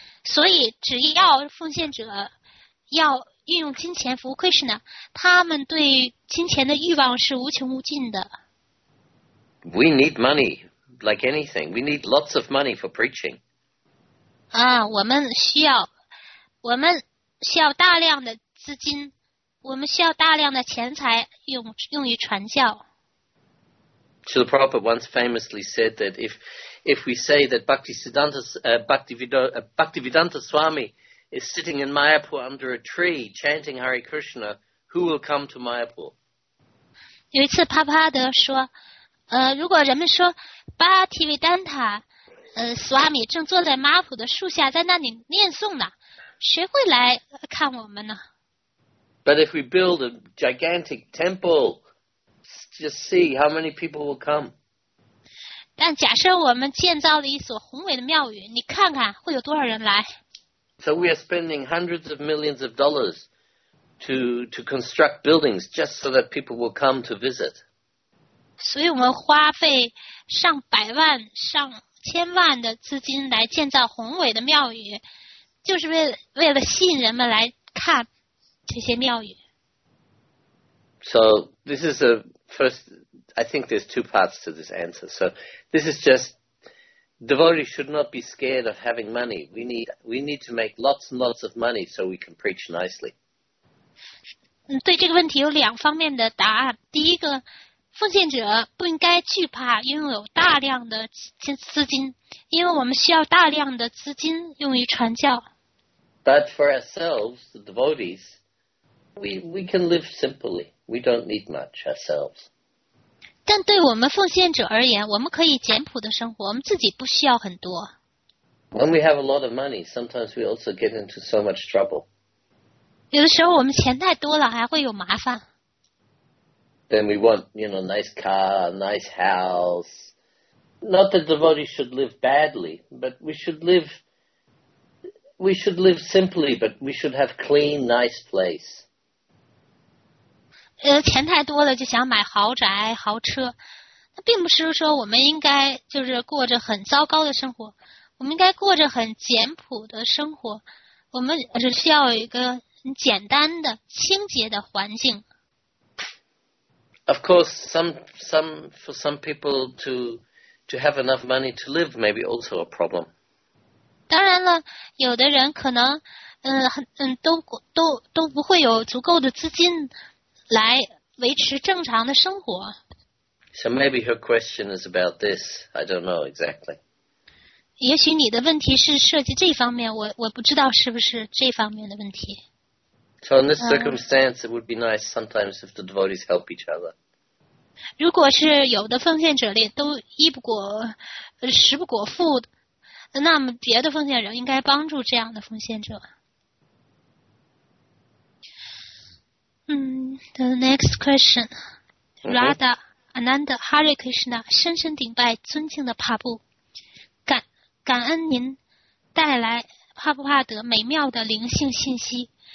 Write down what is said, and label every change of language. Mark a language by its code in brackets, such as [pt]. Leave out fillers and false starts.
[zh] 所以只要奉献者要运用金钱服务 Krishna, 他们对金钱的欲望是无穷无尽的。 [en] We need money, like anything. We need lots of money for preaching. [zh] 啊，我们需要大量的资金，我们需要大量的钱财用于传教。 [en] Srila Prabhupada once famously said that if we say that Bhaktivedanta Swami is sitting in Mayapur under a tree chanting Hare Krishna, who will come to Mayapur? [zh] 有一次，帕帕德说。如果人们说巴提维丹塔斯瓦米正坐在马普的树下在那里念诵呢，谁会来看我们呢？ [en] But if we build a gigantic temple, just see how many people will come. [zh] 但假设我们建造了一所宏伟的庙宇，你看看会有多少人来。 [en] So we are spending hundreds of millions of dollars to construct buildings just so that people will come to visit. [zh] 所以我们花费上百万、上千万的资金来建造宏伟的庙宇，就是为了吸引人们来看这些庙宇。 [en] So this is the first. I think there's two parts to this answer. So this is just devotees should not be scared of having money. We need to make lots and lots of money so we can preach nicely. [zh] 对这个问题有两方面的答案。第一个。奉献者不应该惧怕拥有大量的资金，因为我们需要大量的资金用于传教。 [en] But for ourselves, the devotees, we can live simply. We don't need much ourselves. [zh] 但对我们奉献者而言，我们可以简朴的生活，我们自己不需要很多。 [en] When we have a lot of money, sometimes we also get into so much trouble. [zh] 有的时候我们钱太多了，还会有麻烦。 [en] Then we want, you know, nice car, nice house. Not that devotees should live badly, but we should live simply, but we should have clean, nice place. [zh] 钱太多了就想买豪宅、豪车，那并不是说我们应该就是过着很糟糕的生活，我们应该过着很简朴的生活，我们只需要一个很简单的、清洁的环境。 [en] Of course, for some people to have enough money to live may be also a problem. [zh] 当然了，有的人可能，都不会有足够的资金来维持正常的生活。 [en] So maybe her question is about this. I don't know exactly. [zh] 也许你的问题是涉及这方面，我不知道是不是这方面的问题。 [en] So in this circumstance, it would be nice sometimes if the devotees help each other. [zh] 如果是有的奉献者里都衣不裹，食不果腹，那么别的奉献者应该帮助这样的奉献者。 [en] The next question. [zh] Radha, Ananda, Hare Krishna, 深深顶拜尊敬的帕布，感恩您带来帕布帕德美妙的灵性信息。